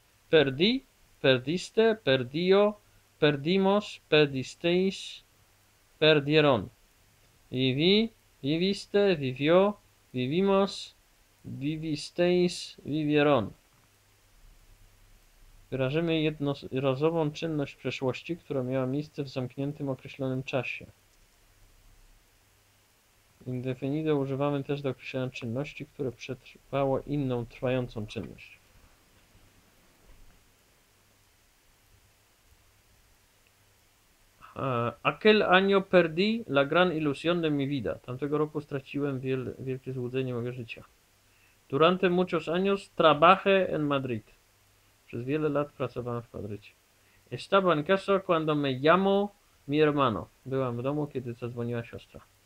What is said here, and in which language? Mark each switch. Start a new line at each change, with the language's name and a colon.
Spanish: Perdí, perdiste, perdió, perdimos, perdisteis, perdieron. Viví, viviste, vivió, vivimos, vivisteis, vivieron.
Polish: Wyrażymy jednorazową czynność przeszłości, która miała miejsce w zamkniętym, określonym czasie. Indefinido używamy też do określenia czynności, które przetrwało inną trwającą czynność.
Spanish: Aquel año perdí la gran ilusión de mi vida.
Polish: Tamtego roku straciłem wielkie złudzenie mojego życia.
Spanish: Durante muchos años trabajé en Madrid.
Polish: Przez wiele lat pracowałem w Madrycie.
Spanish: Estaba en casa cuando me llamó mi hermano.
Polish: Byłam w domu, kiedy zadzwoniła siostra.